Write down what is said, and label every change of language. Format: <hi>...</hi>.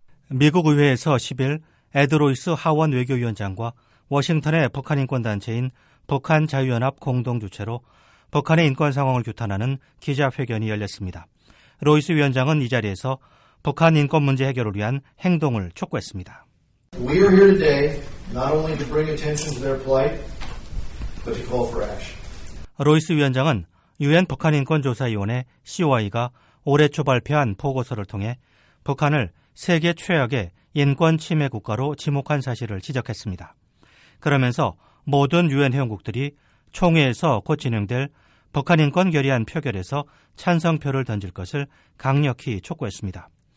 <ko>미국 의회에서 10일 에드로이스 하원 외교위원장과 워싱턴의 북한인권단체인 북한자유연합 공동주최로 북한의 인권 상황을 규탄하는 기자회견이 열렸습니다. 로이스 위원장은 이 자리에서 북한 인권 문제 해결을 위한 행동을 촉구했습니다.</ko> <en>We are here today not only to bring attention to their plight, but to call for action.</en> <ko>로이스 위원장은 유엔 북한인권조사위원회 COI가 올해 초 발표한 보고서를 통해 북한을 세계 최악의 인권 침해 국가로 지목한 사실을 지적했습니다. 그러면서 모든 유엔 회원국들이 총회에서 곧 진행될 북한 인권 결의안 표결에서 찬성표를 던질 것을 강력히 촉구했습니다.</ko>